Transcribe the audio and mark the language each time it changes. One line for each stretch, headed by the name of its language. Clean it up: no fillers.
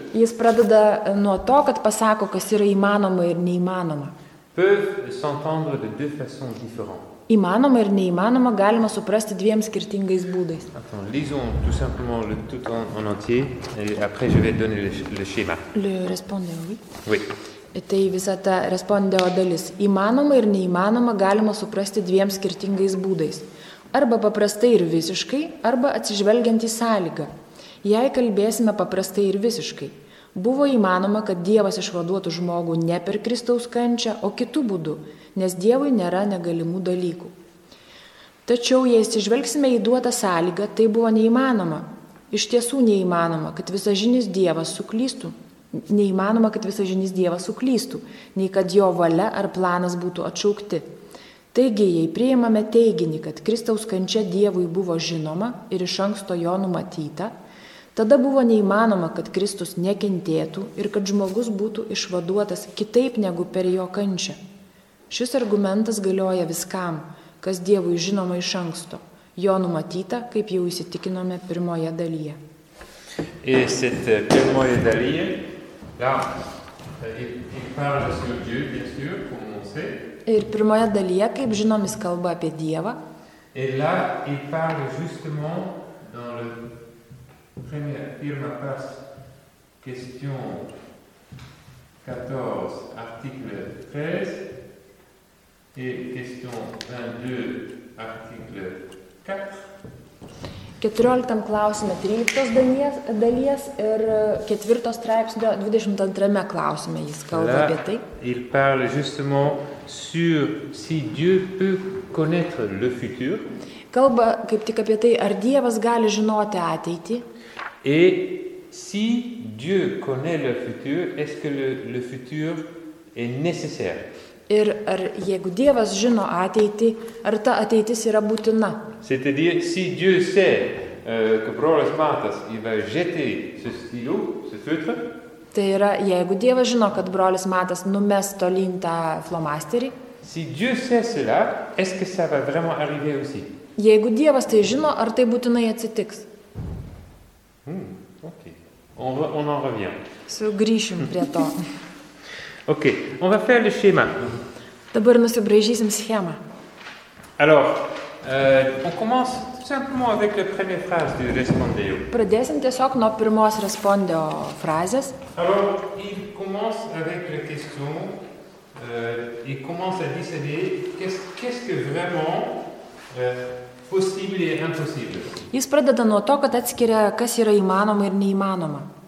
Lithuanian: Jis pradeda nuo to, kad pasako, kas yra įmanoma ir neįmanoma. Įmanoma ir neįmanoma galima suprasti dviem skirtingais būdais.
French: Lisons tout simplement le tout en entier et après je vais donner le schéma. Le répondre, oui. Oui.
Lithuanian: Tai visa ta respondeo dalis. Įmanoma ir neįmanoma galima suprasti dviem skirtingais būdais. Arba paprastai ir visiškai, arba atsižvelgiant į sąlygą. Jei kalbėsime paprastai ir visiškai, buvo įmanoma, kad Dievas išvaduotų žmogų ne per Kristaus kančią, o kitų būdų, nes Dievui nėra negalimų dalykų. Tačiau, jei atsižvelgsime į duotą sąlygą, tai buvo neįmanoma. Iš tiesų neįmanoma, kad visažinis Dievas suklystų. Neįmanoma, kad visažinis Dievas suklystų, nei kad jo valia ar planas būtų atšaukti. Taigi, jei priimame teiginį, kad Kristaus kančia Dievui buvo žinoma ir iš anksto jo numatyta, tada buvo neįmanoma, kad Kristus nekentėtų ir kad žmogus būtų išvaduotas kitaip negu per jo kančią. Šis argumentas galioja viskam, kas Dievui žinoma iš anksto, jo numatyta, kaip jau įsitikinome pirmoje dalyje.
French: Et cette
Lithuanian: pirmoje dalyje,
French: là, il parle sur Dieu, bien sûr, comme on sait.
Lithuanian: Ir pirmoje dalyje, kaip žinom, jis kalba apie Dievą.
French: Et là, il parle justement dans le premier,
Lithuanian: pirmą
French: passe, question 14, article 13, et question 22, article 4.
Lithuanian: 14 klausime 13 dalies ir 4 straipsnio 22 klausime jis kalba
French: là,
Lithuanian: apie tai.
French: Il parle justement sur si Dieu peut connaître le futur.
Lithuanian: Kalba kaip tik apie tai, ar Dievas gali žinoti ateitį.
French: Et si Dieu connaît le futur, est-ce que le futur est nécessaire?
Lithuanian: Ir ar jeigu Dievas žino ateitį, ar ta ateitis yra būtina?
French: C'est-à-dire, si Dieu sait que brolis Matas il va jeter ce stylo, ce feutre.
Lithuanian: Tai yra, jeigu Dievas žino, kad brolis Matas numes tolyn tą flomasterį.
French: Si Dieu sait cela, est-ce que ça va vraiment arriver aussi?
Lithuanian: Jeigu Dievas tai žino, ar tai būtinai atsitiks?
French: OK. On en revient.
Lithuanian: Sugrįšim prie to.
French: OK, on va faire le schéma.
Lithuanian: Dabar nusibraižysim schemą.
French: Alors, on commence tout simplement avec la première phrase du respondeo.
Lithuanian: Pradėsim tiesiog nuo pirmos respondeo frazės.
French: Alors, il commence avec la question, il commence à discerner qu'est-ce que vraiment possible et impossible.
Lithuanian: Jis pradeda nuo to, kad atskiria, kas yra įmanoma ir neįmanoma.